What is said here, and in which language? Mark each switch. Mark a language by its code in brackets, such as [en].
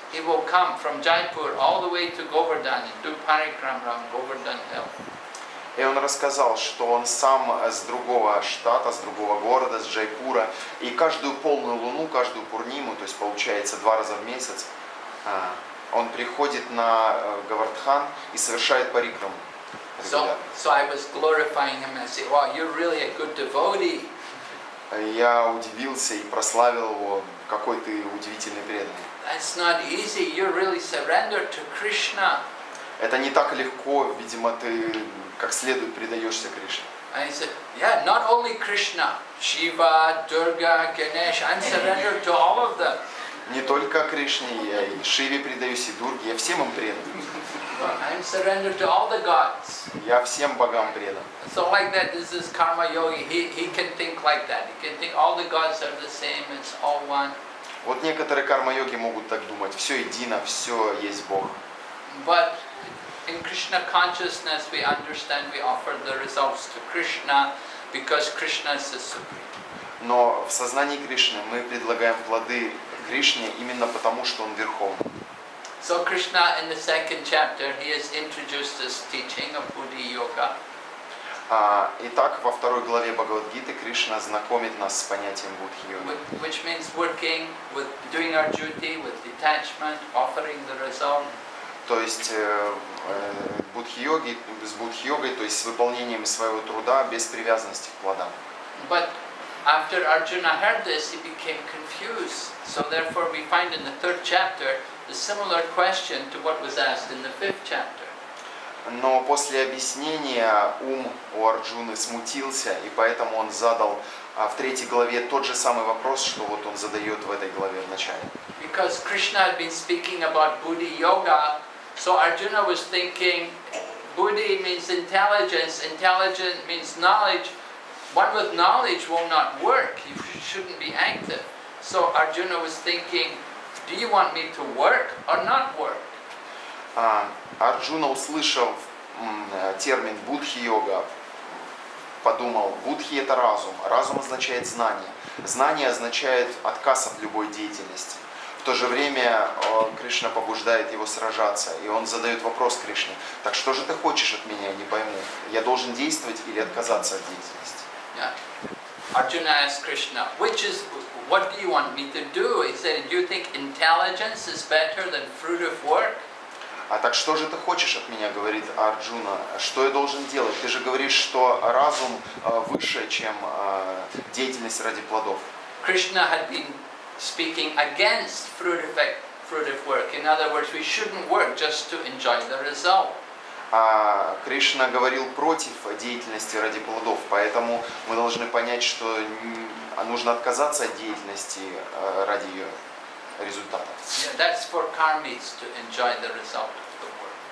[en] He will come from Jaipur all the way to Govardhan and do parikram around Govardhan Hill. [ru] И он рассказал, что он сам с другого штата, с другого города, с Джайпура, и каждую полную луну, каждую пурниму, то есть получается два раза в месяц, он приходит на Говардхан и совершает парикраму. [en] So I was glorifying him and said, "Wow, you're really a good devotee." [ru] Я удивился и прославил его, какой ты удивительный преданный. [en] That's not easy. You're really surrendered to Krishna. [ru] Это не так легко, видимо, ты как следует предаешься Кришне. [en] And he said, yeah, not only Krishna, Shiva, Durga, Ganesh, I'm surrendered to all of them. [ru] Не только Кришне, я и Шиве предаюсь, и Дурге, я всем им предан. [en] I'm surrendered to all the gods. [ru] Я всем богам предан. [en] So like that, this is karma yogi. He can think like that. He can think all the gods are the same. It's all one. [ru] Вот некоторые карма-йоги могут так думать. Все едино, все есть Бог. [en] But in Krishna consciousness we understand we offer the results to Krishna because Krishna is the supreme. [ru] Но в сознании Кришны мы предлагаем плоды Кришне именно потому, что Он верховный. [en] So Krishna in the second chapter he has introduced this teaching of Buddhi Yoga. [ru] Итак, во второй главе Бхагавад-гиты Кришна знакомит нас с понятием Будхи-йоги. [en] Which means working, with doing our duty, with detachment, offering the result. [ru] То есть будхи-йоги, с будхи-йогой, то есть с выполнением своего труда без привязанности к плодам. [en] But after Arjuna heard this, he became confused. So therefore we find in the third chapter a similar question to what was asked in the fifth chapter. [ru] Но после объяснения ум у Арджуны смутился, и поэтому он задал в третьей главе тот же самый вопрос, что вот он задает в этой главе в начале. [en] Because Krishna had been speaking about Buddhi Yoga, so Arjuna was thinking, Buddhi means intelligence, intelligent means knowledge. One with knowledge will not work, you shouldn't be active. So Arjuna was thinking, do you want me to work or not work? [ru] Арджуна, услышав термин будхи-йога, подумал, будхи — это разум. Разум означает знание. Знание означает отказ от любой деятельности. В то же время Кришна побуждает его сражаться. И он задает вопрос Кришне, так что же ты хочешь от меня, я не пойму. Я должен действовать или отказаться от деятельности? [en] Yeah. Arjuna asked Krishna, what do you want me to do? He said, do you think intelligence is better than fruitive work? [ru] А так что же ты хочешь от меня, говорит Арджуна, что я должен делать? Ты же говоришь, что разум выше, чем деятельность ради плодов. [en] Krishna had been speaking against fruitive work. In other words, we shouldn't work just to enjoy the result. [ru] А Кришна говорил против деятельности ради плодов, поэтому мы должны понять, что нужно отказаться от деятельности ради ее результата. [en] Yeah, that's for karmis, to enjoy the result of the work.